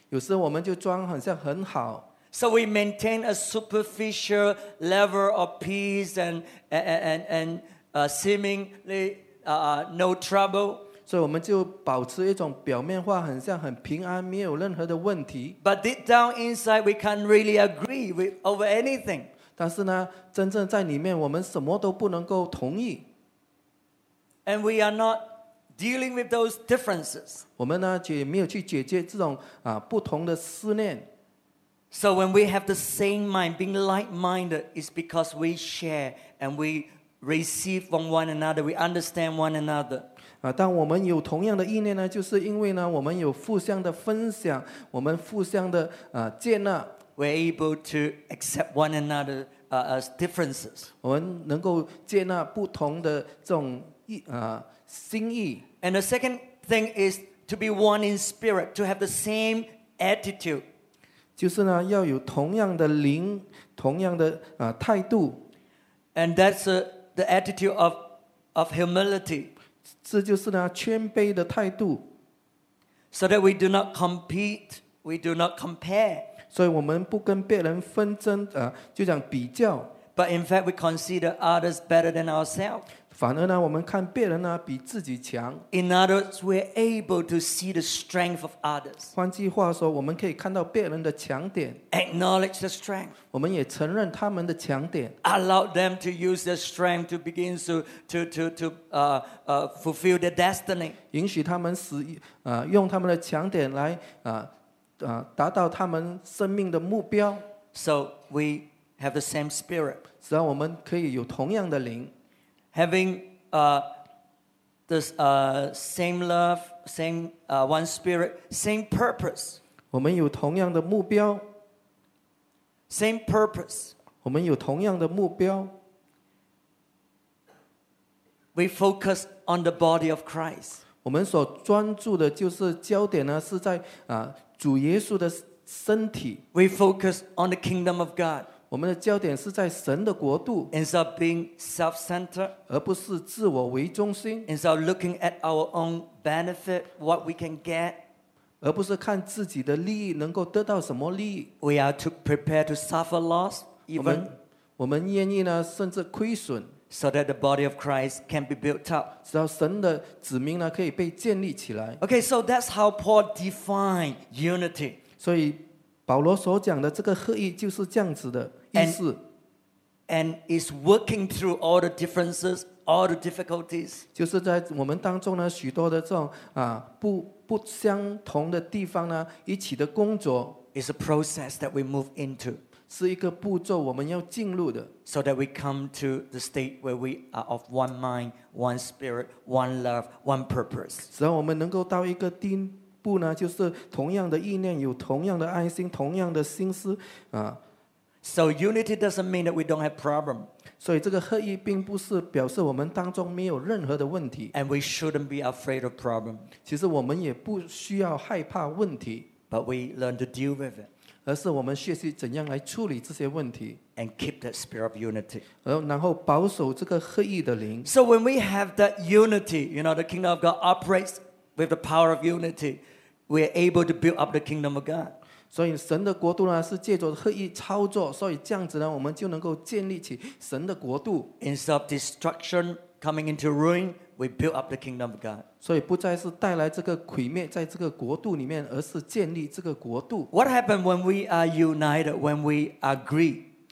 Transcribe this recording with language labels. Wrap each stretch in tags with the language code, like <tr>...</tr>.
<zh>有时我们就装好像很好。</zh> <en>So we maintain a superficial level of peace and seemingly no trouble.</en> <zh>所以我们就保持一种表面化，很像很平安，没有任何的问题。</zh> <en>But deep down inside, we can't really agree with over anything.</en> <zh>但是呢，真正在里面，我们什么都不能够同意。</zh> <en>And we are not dealing with those differences.</en> <zh>我们呢也没有去解决这种不同的思念。</zh> <en>So when we have the same mind, being like-minded, it's because we share and we receive from one another. We understand one another.</en> <zh>当我们有同样的意念呢，就是因为呢我们有互相的分享，我们互相的接纳。</zh> <en>We're able to accept one another as differences.</en> <zh>我们能够接纳不同的这种。心意</zh> <en>And the second thing is to be one in spirit, to have the same attitude.</en> <zh>就是呢，要有同样的灵，同样的态度。</zh> <en>And that's the attitude of humility.</en> <zh>这就是呢，谦卑的态度。</zh> <en>So that we do not compete, we do not compare.</en> <zh>所以我们不跟别人纷争，就讲比较。</zh> <en>But in fact, we consider others better than ourselves.</en> <zh>反而呢，我们看别人呢比自己强。</zh> <en>In other words, we're able to see the strength of others.</en> <zh>换句话说，我们可以看到别人的强点。</zh> <en>Acknowledge the strength.</en> <zh>我们也承认他们的强点。</zh> <en>Allow them to use their strength to begin to fulfill their destiny.</en> <zh>允许他们使用他们的强点来达到他们生命的目标。</zh> <en>So we have the same spirit.</en> <zh>使我们可以有同样的灵。</zh> <en>Having same love, same one spirit, same purpose.</en> <zh>我们有同样的目标。</zh> <en>Same purpose.</en> <zh>我们有同样的目标。</zh> <en>We focus on the body of Christ.</en> <zh>我们所专注的就是焦点呢，是在主耶稣的身体。</zh> <en>We focus on the kingdom of God.</en> <zh>我们的焦点是在神的国度</zh> <en>instead of being self-centered,</en> <zh>而不是自我为中心</zh> <en>instead of looking at our own benefit, what we can get,</en> <zh>而不是看自己的利益能够得到什么利益</zh> <en>we are to prepare to suffer loss, even</en> <zh>我们愿意呢甚至亏损</zh> <en>so that the body of Christ can be built up,</en> <zh>直到神的子民呢可以被建立起来</zh> <en>Okay, so that's how Paul defined unity.</en> <zh>所以保罗所讲的这个合一就是这样子的意思</zh> <en>and is working through all the differences, all the difficulties.</en> <zh>就是在我们当中呢，许多的这种不相同的地方呢，一起的工作</zh> <en>is a process that we move into.</en> <zh>是一个步骤我们要进入的</zh> <en>so that we come to the state where we are of one mind, one spirit, one love, one purpose.</en> <zh>只要我们能够到一个地。不呢就是同样的意念有同样的爱心同样的心思、</zh> <en>So unity doesn't mean that we don't have problem</en> <zh>所以这个合一并不是表示我们当中没有任何的问题</zh> <en>And we shouldn't be afraid of problem</en> <zh>其实我们也不需要害怕问题</zh> <en>But we learn to deal with it</en> <zh>而是我们学习怎样来处理这些问题</zh> <en>And keep that spirit of unity</en> <zh>然后保守这个合一的灵</zh> <en>So when we have that unity You know the kingdom of God operatesWith the power of unity, we are able to build up the kingdom of God.</en> <zh>所以神的国度呢是借着合一操作，所以这样子呢我们就能够建立起神的国度。</zh> <en>Instead of destruction coming into ruin, we build up the kingdom of God.</en> <zh>所以不再是带来这个毁灭在这个国度里面，而是建立这个国度。</zh> <en>What happens when we are united? When we agree?</en>